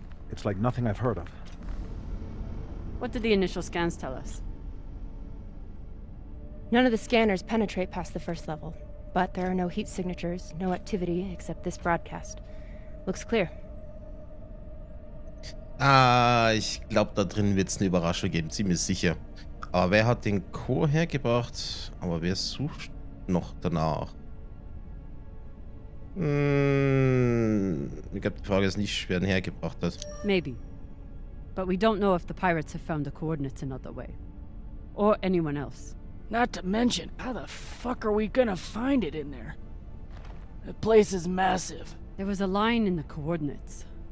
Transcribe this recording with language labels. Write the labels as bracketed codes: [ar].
[en] It's like nothing I've heard of. What did the initial scans tell us? None of the scanners penetrate past the first level. But there are no heat signatures, no activity, except this broadcast. Looks clear. [de] Ich glaube, da drin wird es eine Überraschung geben, ziemlich sicher. Aber wer hat den Chor hergebracht? Aber wer sucht noch danach? Ich glaube, die Frage ist nicht, wer ihn hergebracht hat. [en] Maybe. But we don't know if the pirates have found the coordinates another way. Or anyone else. Not to mention, how the fuck are we gonna find it in there? The place is massive. There was a line in the coordinates.